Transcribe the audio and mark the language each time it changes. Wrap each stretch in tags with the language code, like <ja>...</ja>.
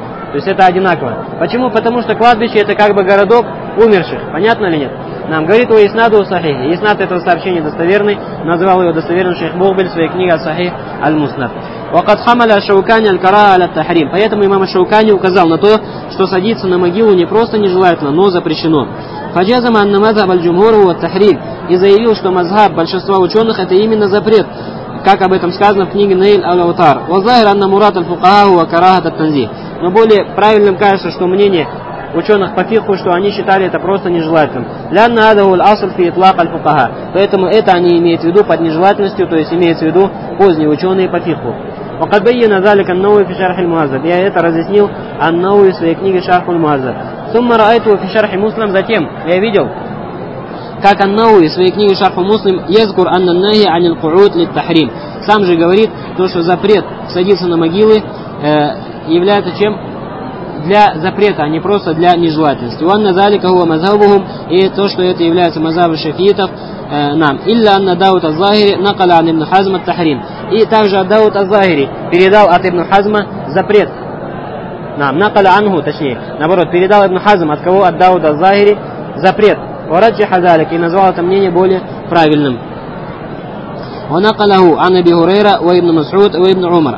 <ru>То есть это одинаково. Почему? Потому что кладбище — это как бы городок умерших. Понятно или нет? нам говорит о иснаду сахихи. Иснад этого сообщения достоверный, назвал его достоверным шейх Мухбиль в своей книге «Сахих аль-Муснад».</ru> <ar>وقد حمل الشوكاني الكراء على التحريم.</ar> <ru>Поэтому имам Шаукани указал на то, что садиться на могилу не просто нежелательно, но запрещено.</ru> <ar>فجزم أن مذهب الجمهور هو التحريم.</ar> <ru>И заявил, что мазхаб большинства ученых это именно запрет, как об этом сказано в книге Наиль аль-Аутар.</ru> <ar>وظاهر أن مراد الفقهاء هو كراهة التنزيه.</ar> <ru>Но более правильным кажется, что мнение ученых по фикху, что они считали это просто нежелательным.</ru> <ar>لأن هذا هو الأصل في إطلاق الفقهاء.</ar> <ru>Поэтому это они имеют в виду под нежелательностью, то есть имеется в виду поздние ученые по фикху.</ru> <ar>وقد بين ذلك النووي في شرح المعذب.</ar> <ru>Я это разъяснил النووي в своей книге Шарх аль-Муазаб.</ru> <ar>ثم رأيته في شرح مسلم.</ar> <ru>Затем я видел, как النووي в своей книге Шарх аль-Муслим</ru> <ar>يذكر أن النهي عن القعود للتحريم.</ar> <ru>Сам же говорит то, что запрет садиться на могилы является чем? Для запрета, а не просто для нежелательности.</ru> <ar>وأن ذلك هو مذهبهم.</ar> <ru>И то, что это является мазхабом шафиитов. Нам.</ru> <ar>إلا أن داود الظاهري نقل عن ابن حزم التحريم.</ar> <ru>И также Дауд аз-Захири передал от ибн Хазма запрет. Нам.</ru> <ar>Накаля ангу,</ar> <ru>точнее. Наоборот, передал ибн Хазм от кого? От Дауда аз-Захири запрет.</ru> <ar>Вараджи хазалик.</ar> <ru>И назвал это мнение более правильным.</ru> <ar>Ванакаляху ан Аби Хурейра ва ибн Масуд ва ибн Умар.</ar>